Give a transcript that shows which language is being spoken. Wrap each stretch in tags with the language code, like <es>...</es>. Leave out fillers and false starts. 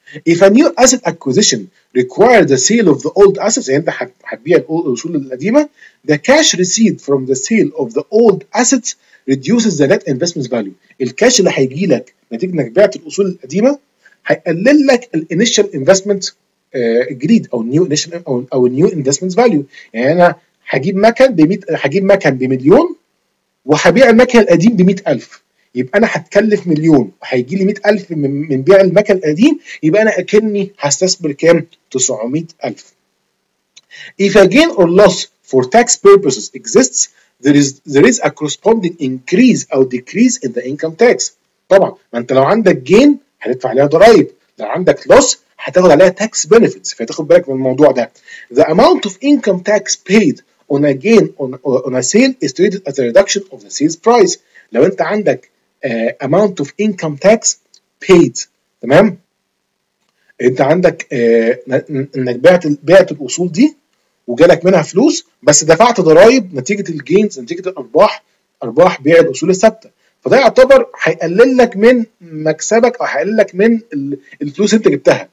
<en>If a new asset acquisition required the sale of the old assets,</en> <ar>يعني انت هتبيع الاصول القديمه,</ar> <en>the cash received from the sale of the old assets reduces the net investment value.</en> <ar>الكاش اللي هيجي لك نتيجه انك بعت الاصول القديمه هيقلل لك الانيشال انفستمنت جديد او نيو انيشال او نيو انفستمنت فاليو. يعني انا هجيب مكن ب 100 هجيب مكن بمليون وهبيع المكن القديم ب 100,000, يبقى انا هتكلف مليون وهيجي لي 100,000 من بيع المكن القديم, يبقى انا اكني هستثمر كام 900,000.</ar> <en>If a gain or loss for tax purposes exists, there is a corresponding increase or decrease in the income tax.</en> <ar>طبعا ما انت لو عندك gain هتدفع عليها ضرائب, لو عندك loss هتاخد عليها tax benefits, فتاخد بالك من الموضوع ده.</ar> <en>The amount of income tax paid on a gain on a sale is treated as a reduction of the sales price.</en> <ar>لو انت عندك</ar> <en>amount of income tax paid,</en> <ar>تمام, انت عندك انك بعت الاصول دي وجالك منها فلوس بس دفعت ضرائب نتيجه الجينز نتيجه الارباح ارباح بيع الاصول الثابته, فده يعتبر هيقلل لك من مكسبك او هيقلل لك من الفلوس انت جبتها.</ar>